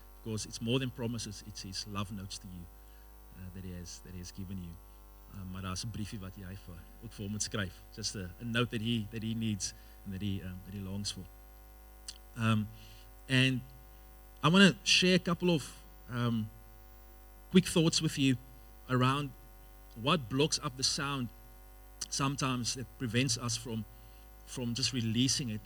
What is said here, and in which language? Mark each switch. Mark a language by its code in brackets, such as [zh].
[en] Because it's more than promises, it's his love notes to you that he has given you. [af] Maar daar is 'n briefie wat jy ook voor moet skryf. [en] Just a note that he needs and that he longs for. And I want to share a couple of quick thoughts with you around what blocks up the sound sometimes that prevents us from just releasing it.